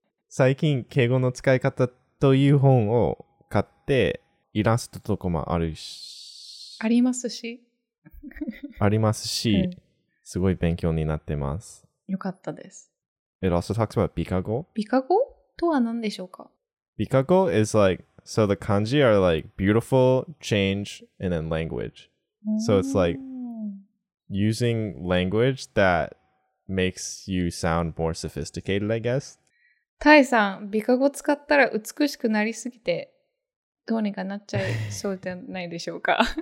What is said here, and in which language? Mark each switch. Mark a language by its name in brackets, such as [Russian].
[Japanese] 最近、Keigo の使い方という本を買って、イラストとかもあるし。ありますし。ありますし、すごい勉強になってます。よかったです。 [English] It also talks about ビカゴ。 [Japanese] ビカゴとは何でしょうか? [English] ビカゴ is like, so the kanji are like beautiful, change, and then language. So it's like using language that makes you sound more sophisticated, I guess. [Japanese] タイさん、ビカゴ使ったら美しくなりすぎてどうにかなっちゃいそうじゃないでしょうか?